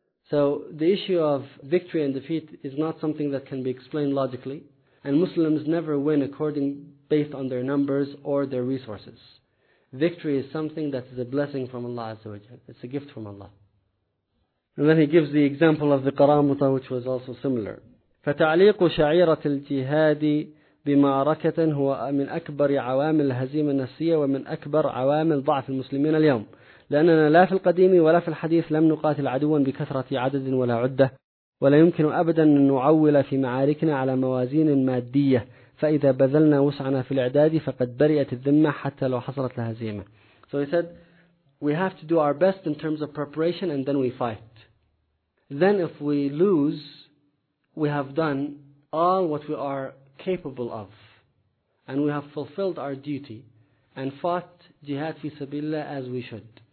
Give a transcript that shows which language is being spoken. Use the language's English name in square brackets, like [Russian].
[English] So the issue of victory and defeat is not something that can be explained logically, and Muslims never win according based on their numbers or their resources. Victory is something that is a blessing from Allah Azza wa Jalla. It's a gift from Allah. And then he gives the example of the Qaramutah, which was also similar. [Arabic] فَتَعْلِيقُ شَعِيرَةِ الْجِهَادِ بِمَعْرَكَةٍ هُوَ مِنْ أَكْبَرِ عَوَامِ الْهَزِيمَ النَّسِيَّةِ وَمِنْ أَكْبَرِ عَوَامِ الْضَعْفِ الْمُسْلِمِينَ الْيَوْمِ لأننا لا في القديم ولا في الحديث لم نقاتل عدوا بكثرة عدد ولا عدة ولا يمكن أبدا أن نعول في معاركنا على موازين مادية فإذا بذلنا وسعنا في الإعداد فقد برئت الذمة حتى لو حصلت الهزيمة. [English] So he said, we have to do our best in terms of preparation and then we fight. Then if we lose, we have done all what we are capable of and we have fulfilled our duty and fought jihad [Arabic] في سبيل الله [English] as we should.